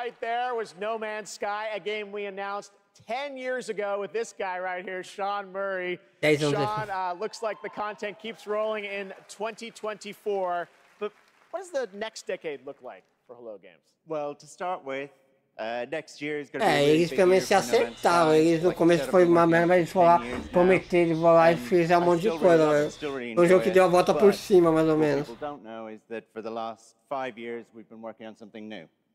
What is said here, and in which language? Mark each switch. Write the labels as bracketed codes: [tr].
[en] right there was No Man's Sky, a game we announced 10 years ago with this guy right here, Sean Murray. Sean, looks like the content keeps rolling in 2024. But what does the next decade look like for Hello Games? Well, to start with, next year is going to be a really big year for No Man's Sky. [pt] Eles também se acertaram. No começo foi uma merda, mas eles foram lá, prometeram, vão lá e fizeram um monte de coisa. Um jogo que deu a volta por cima, mais ou menos. [en] What people don't know is that for the last 5 years, we've been working on something new.